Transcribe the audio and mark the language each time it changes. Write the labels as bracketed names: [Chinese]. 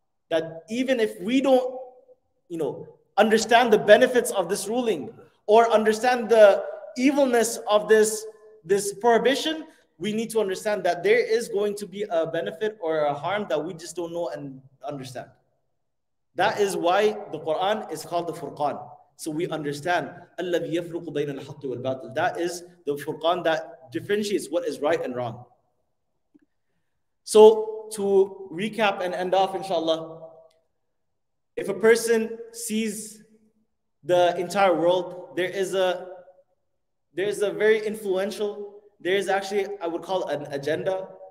[English] That even if we don't, you know, understand the benefits of this ruling or understand the evilness of this prohibition, we need to understand that there is going to be a benefit or a harm that we just don't know and understand. That is why the Quran is called the Furqan. So we understand, [Arabic] الَّذِي يَفْرُقُ بَيْنَ الْحَقِّ وَالْبَاطِلِ. [English] That is the Furqan that differentiates what is right and wrong. So to recap and end off, inshallah, if a person sees the entire world, there is a very influential, there is actually, I would call it an agenda.